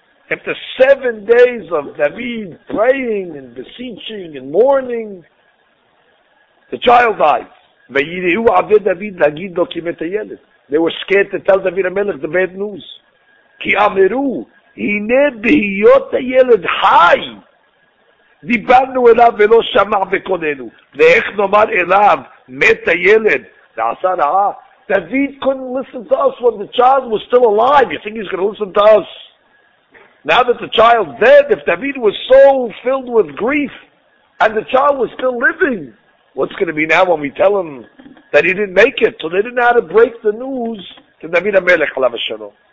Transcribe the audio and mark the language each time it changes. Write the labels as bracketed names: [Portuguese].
[English] After 7 days of David praying and beseeching and mourning, the child dies. [Hebrew] Vehirihu aved David lagid lo kimet ha-yeled. [English] They were scared to tell David HaMelech the bad news. [Hebrew] Ki amiru, hine bihiyot ha-yeled hai. דיברנו אליו ולא שמע וקוננו. ואיך נאמר אליו, מת הילד, נעשה רעה. [English] David couldn't listen to us when the child was still alive. You think he's going to listen to us? Now that the child's dead, if David was so filled with grief, and the child was still living, what's going to be now when we tell him that he didn't make it? So they didn't know how to break the news to David HaMelech, עליו השלום.